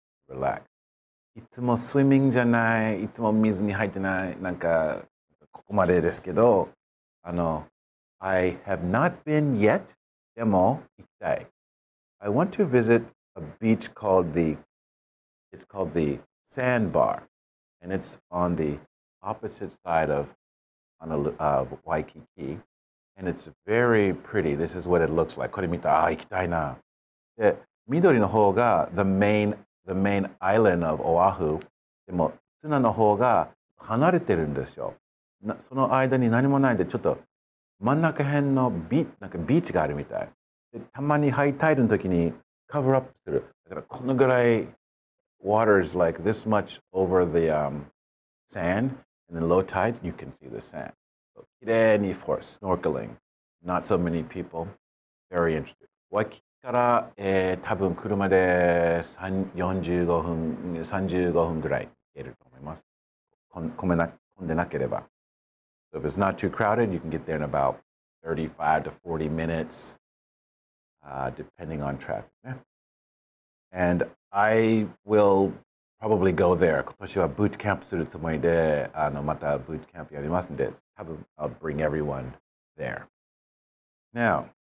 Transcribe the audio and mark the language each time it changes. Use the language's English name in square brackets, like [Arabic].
[English] Relax. [Japanese] いつもスイミングじゃない、いつも水に入ってない、なんかここまでですけど、 [English] I have not been yet, [Japanese] でも行きたい。 [English] I want to visit a beach called the Sandbar, and it's on the opposite side of Waikiki, and it's very pretty. This is what it looks like. [Japanese] これ見たら、行きたいな。で、緑の方が [English] the main island of Oahu, [Japanese] でも、ツナの方が離れてるんですよ。その間に何もないんで、ちょっと真ん中辺のビーチがあるみたい。で、たまにハイタイドの時にカバーアップする。だからこのぐらい、 [English] water is like this much over the sand, and then low tide, you can see the sand. So, [Japanese] きれいに [English] for snorkeling. Not so many people. Very interesting. [Japanese] ワイキキから、多分車で35分ぐらい行けると思います。混んでなければ。 [English] So if it's not too crowded, you can get there in about 35 to 40 minutes, depending on traffic. And I will probably go there. [Japanese] 今年はブートキャンプするつもりで、またブートキャンプやりますんで、 [English] I'll bring everyone there. Now,